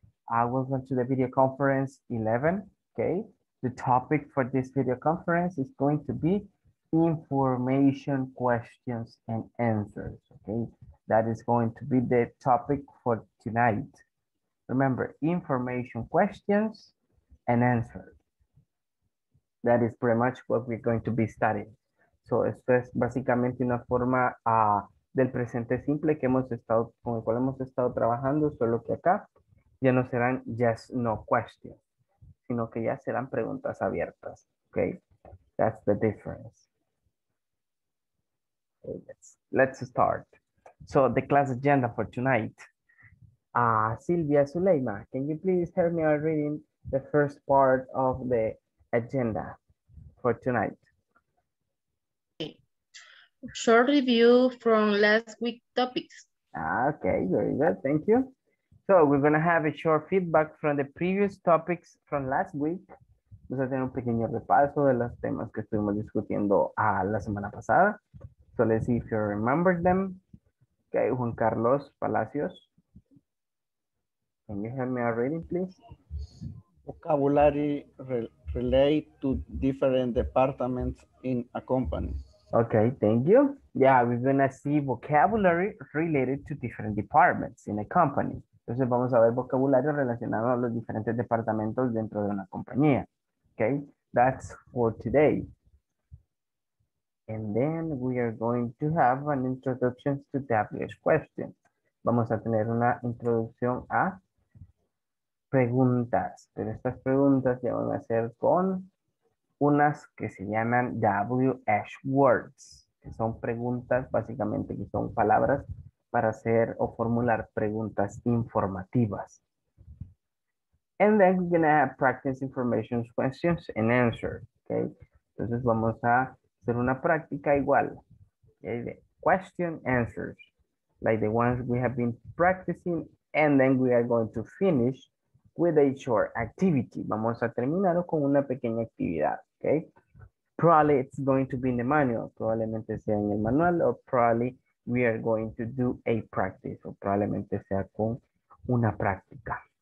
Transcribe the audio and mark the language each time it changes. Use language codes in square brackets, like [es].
[en] Welcome to the video conference 11, okay? The topic for this video conference is going to be information questions and answers, okay? That is going to be the topic for tonight. Remember, information questions and answers. That is pretty much what we're going to be studying. [es] So, esto es básicamente una forma del presente simple que hemos estado, con el cual hemos estado trabajando, solo que acá ya no serán [en] yes, no questions, [es] sino que ya serán preguntas abiertas. [en] Okay, that's the difference. Okay, let's start. So, the class agenda for tonight. Silvia Suleyma, can you please help me out reading the first part of the agenda for tonight? Short review from last week's topics. Okay, very good, thank you. So we're gonna have a short feedback from the previous topics from last week. [es] Vamos a tener un pequeño repaso de los temas que estuvimos discutiendo la semana pasada. [en] So let's see if you remember them. Okay, Juan Carlos Palacios. Can you help me out reading, please? Vocabulary relate to different departments in a company. Okay, thank you. Yeah, we're gonna see vocabulary related to different departments in a company. [es] Entonces vamos a ver vocabulario relacionado a los diferentes departamentos dentro de una compañía. [en] Okay, that's for today. And then we are going to have an introduction to WH questions. [es] Vamos a tener una introducción a preguntas, pero estas preguntas ya van a ser con unas que se llaman WH words, que son preguntas, básicamente que son palabras para hacer o formular preguntas informativas. [en] And then we're gonna have practice information questions and answers, okay? [es] Entonces vamos a hacer una práctica igual, okay? [en] The question answers, like the ones we have been practicing, and then we are going to finish with a short activity. [es] Vamos a terminar con una pequeña actividad, [en] okay? Probably it's going to be in the manual, [es] probablemente sea en el manual, [en] or probably we are going to do a practice, or [es] probablemente sea con una práctica.